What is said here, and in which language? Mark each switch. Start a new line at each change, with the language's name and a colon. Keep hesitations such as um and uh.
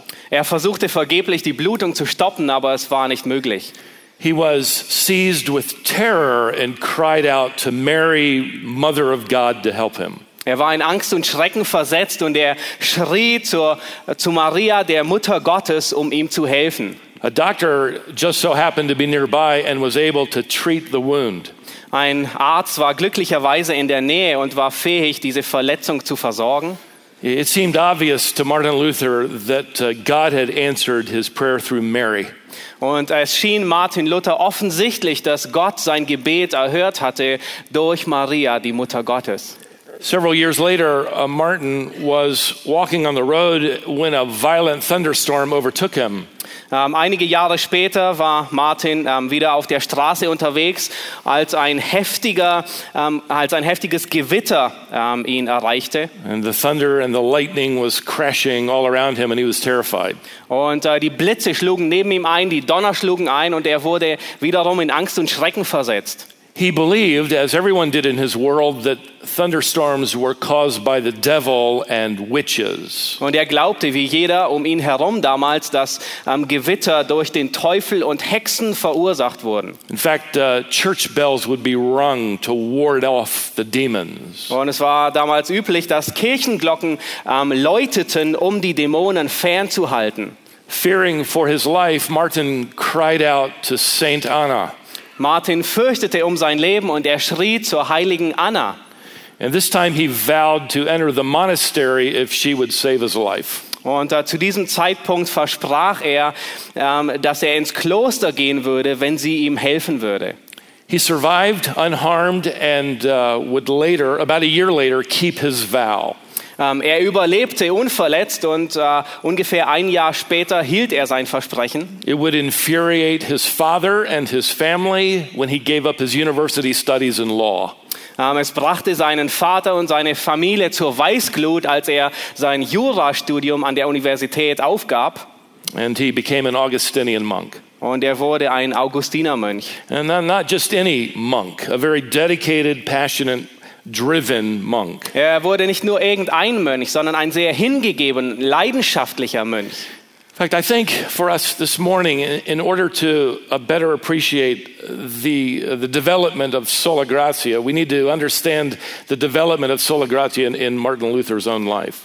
German: Er versuchte vergeblich die Blutung zu stoppen, aber es war nicht möglich.
English: he was seized with terror and cried out to Mary, Mother of God, to help him.
German: Er war in Angst und Schrecken versetzt und er schrie zur, zu Maria, der Mutter Gottes, um ihm zu helfen.
English: A doctor just so happened to be nearby and was able to treat the wound.
German: Ein Arzt war glücklicherweise in der Nähe und war fähig, diese Verletzung zu versorgen.
English: It seemed obvious to Martin Luther that God had answered his prayer through Mary.
German: Und es schien Martin Luther offensichtlich, dass Gott sein Gebet erhört hatte durch Maria, die Mutter Gottes.
English: Several years later, Martin was walking on the road when a violent thunderstorm overtook him.
German: Um, einige Jahre später war Martin um, wieder auf der Straße unterwegs, als ein heftiger, um, als ein heftiges Gewitter ihn erreichte. Und uh, die Blitze schlugen neben ihm ein, die Donner schlugen ein, und er wurde wiederum in Angst und Schrecken versetzt.
English: He believed, as everyone did in his world, that thunderstorms were caused by the devil and witches.
German: Er glaubte, jeder, um damals, dass,
English: um, in fact, uh, church bells would be rung to ward off the demons.
German: Und es war damals üblich, dass Kirchenglocken um, läuteten, um die Dämonen fernzuhalten.
English: Fearing for his life, Martin cried out to Saint Anna.
German: Martin fürchtete um sein Leben und er schrie zur heiligen Anna.
English: And this time he vowed to enter the monastery if she would save his life.
German: Und uh, zu diesem Zeitpunkt versprach er, um, dass er ins Kloster gehen würde, wenn sie ihm helfen würde.
English: He survived unharmed and uh, would later, about a year later, keep his vow.
German: Um, er überlebte unverletzt und uh, ungefähr ein Jahr später hielt er sein Versprechen. Um, es brachte seinen Vater und seine Familie zur Weißglut, als er sein Jurastudium an der Universität aufgab. Und er wurde ein Augustinermönch.
English: And
German: nicht nur
English: any
German: Mönch, ein sehr
English: dedicated, passionate driven monk.
German: Er wurde nicht nur irgendein Mönch, sondern ein sehr hingegeben, leidenschaftlicher Mönch.
English: In fact, I think for us this morning, in order to better appreciate the, the development of sola gratia, we need to understand the development of sola gratia in, in Martin Luther's own life.